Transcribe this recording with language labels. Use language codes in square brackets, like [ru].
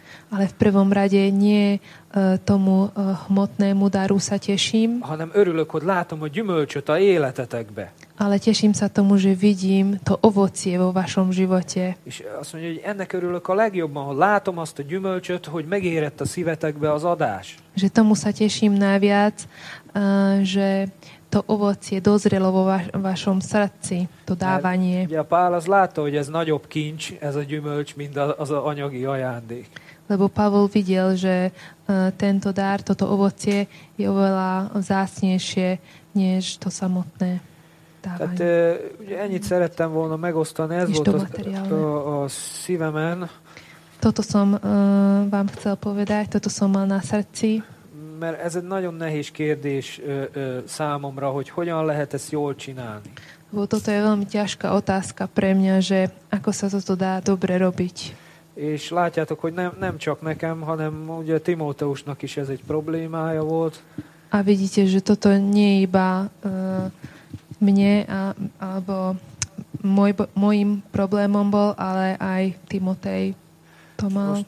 [sk] Ale v prvom rade nie tomu hmotnému daru sa teším. [hu] Hanem örülök, hogy látom a gyümölcsöt a életetekbe. [sk] Ale teším sa tomu, že vidím to ovocie vo vašom živote. [hu] És azt mondja, hogy ennek örülök a legjobban, hogy látom azt a gyümölcsöt, hogy megérett a szívetekbe az adás. [sk] Že tomu sa teším najviac, že to ovocie dozrelo vo vašom srdci, to dávanie. [hu] Ugye a Pál az látta, hogy ez nagyobb kincs, ez a gyümölcs, mint az a anyagi ajándék. [sk] Lebo Pavol videl, že tento dár, toto ovocie je oveľa vzácnejšie než to samotné. [hu] Tehát ugye ennyit szerettem volna megosztani, ez volt a szívemen. [sk] Toto som vám chcel povedať, toto som mal na srdci. [hu] Mert ez egy nagyon nehéz kérdés számomra, hogy hogyan lehet ezt jól csinálni. [sk] Bo toto je veľmi ťažká otázka pre mňa, že ako sa toto dá dobre robiť. [hu] És látjátok, hogy nem csak nekem, hanem ugye Timóteusnak is ez egy problémája volt. [sk] A vidíte, že toto nie je iba mne alebo mojim problémom bol, ale aj Timotej to mal.